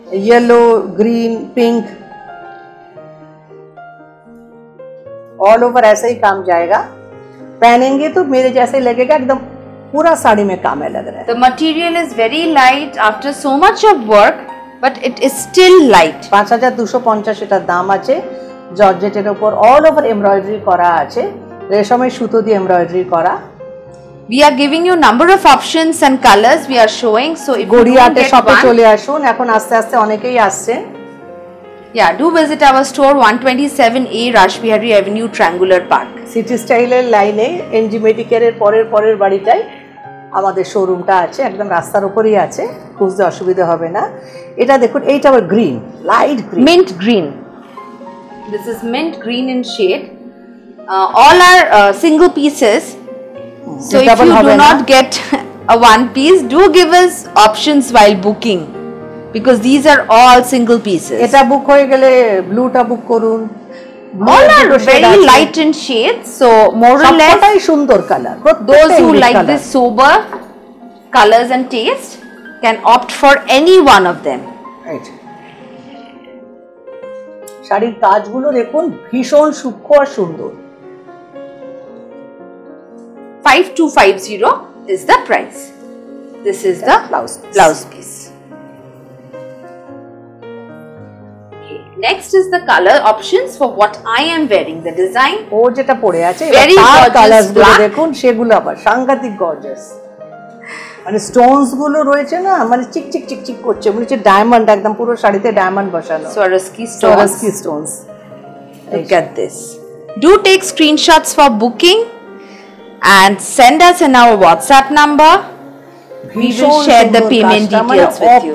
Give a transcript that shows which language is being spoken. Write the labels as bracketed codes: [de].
[hi] Yellow green pink all over ऐसा ही काम जाएगा. पहनेंगे तो मेरे जैसे लगेगा एकदम पूरा साड़ी में काम है लग रहा है [en] the material is very light after so much of work but it is still light [bn] 5250 এটা দাম আছে জর্জেটের উপর অল ওভার এমব্রয়ডারি করা আছে রেশমের সুতো দিয়ে এমব্রয়ডারি করা [en] we are giving you number of options and colours we are showing so [bn] if গড়িয়াতে শপে চলে আসুন এখন আস্তে আস্তে অনেকেই আসছে [en] Yeah, do visit our store 127A Rashbihari Avenue, Triangular Park. [bn] City Style line A NG Medicare এর পরের পরের বাড়িটাই আমাদের শোরুমটা আছে একদম রাস্তার উপরেই আছে খুঁজতে অসুবিধা হবে না এটা দেখুন এইটা আবার green light green [en] Mint green this is mint green in shade all are single pieces so if you do not get a one piece do give us options while booking Because these are all single pieces. [bn] Eta book hoye gele blue ta book korun. [en] All are very light in shade. So more or less. [bn] Sabkotai sundor color. [en] But those who like this sober colors and taste can opt for any one of them. Right. [bn] Shari kaj gulo dekhun bhishon shukho ar sundor. [en] 5250 is the price. This is the blouse piece. Next is the color options for what I am wearing. The design. [bn] ও যেটা পরে আছে [en] very gorgeous [bn] colors গুলো দেখুন সেগুলো আবার সাংঘাতিক gorgeous. মানে stones গুলো রয়েছে না মানে চিক চিক চিক চিক করছে মানে যে diamond একদম পুরো শাড়িতে diamond বসানো. [en] Swarovski stones. Look at this. Do take screenshots for booking and send us in our WhatsApp number. We will share the payment details with you.